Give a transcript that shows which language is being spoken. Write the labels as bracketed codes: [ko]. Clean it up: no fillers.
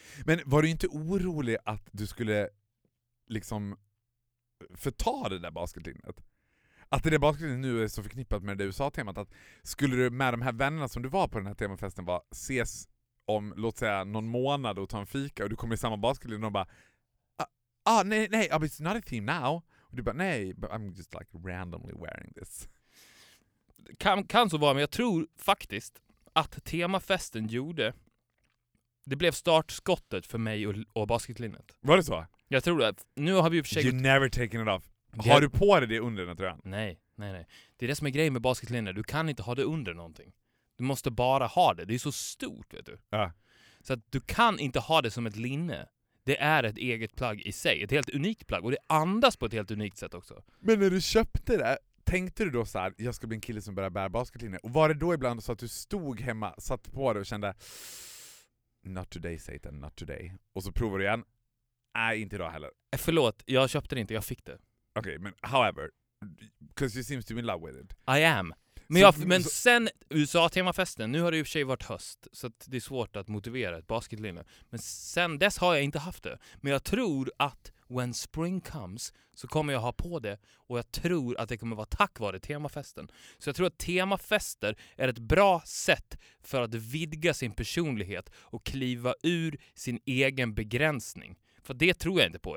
[sv] Men var du inte orolig att du skulle liksom förta det där basketlinnet? Att det där basketlinnet nu är så förknippat med det USA-temat, att skulle du med de här vännerna som du var på den här temafesten var ses om, låt säga, någon månad och ta en fika och du kommer i samma basketlinne och bara nej, [en] it's not a theme now. [sv] Och du bara, nej, [en] I'm just like randomly wearing this. [sv] Kan så vara, men jag tror faktiskt att temafesten gjorde, det blev startskottet för mig och basketlinnet. Var det så? Jag tror det. Nu har vi ju försökt... [en] You never taken it off. [sv] Har du på dig det under den här tröjan? Nej. Det är det som är grejen med basketlinnet. Du kan inte ha det under någonting. Du måste bara ha det. Det är så stort, vet du. Ja. Så att du kan inte ha det som ett linne. Det är ett eget plagg i sig. Ett helt unikt plagg. Och det andas på ett helt unikt sätt också. Men när du köpte det, tänkte du då så här, jag ska bli en kille som börjar bära basketlinne. Och var det då ibland så att du stod hemma, satt på det och kände, [en] not today Satan, not today. [sv] Och så provar du igen. Nej, inte idag heller. Förlåt, jag köpte det inte, jag fick det. [en] Okej, okay, men however, because you seem to be in love with it. I am. [sv] Men, så, jag, men så, sen USA-temafesten, nu har det ju för sig varit höst, så att det är svårt att motivera ett basketlinne. Men sen dess har jag inte haft det. Men jag tror att [en] when spring comes [sv] så kommer jag ha på det, och jag tror att det kommer vara tack vare temafesten. Så jag tror att temafester är ett bra sätt för att vidga sin personlighet och kliva ur sin egen begränsning. För det tror jag inte på.